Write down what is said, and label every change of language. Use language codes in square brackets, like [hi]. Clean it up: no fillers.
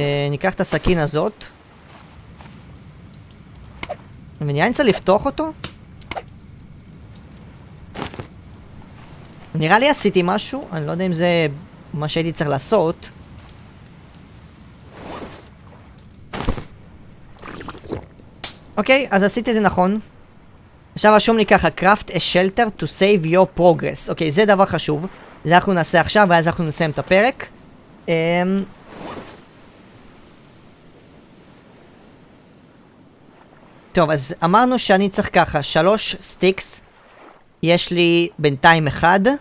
[he] ניקח את הסכין הזאת ונראה לי צריך לפתוח אותו. נראה לי עשיתי משהו, אני לא יודע אם זה מה שהייתי צריך לעשות. אוקיי, אז עשיתי את זה נכון. עכשיו רשום לי ככה, [en] craft a shelter to save your progress. [he] אוקיי, זה דבר חשוב, זה אנחנו נעשה עכשיו ואז אנחנו נסיים את הפרק. טוב, אז אמרנו שאני צריך ככה, 3 סטיקס, יש לי בינתיים 1.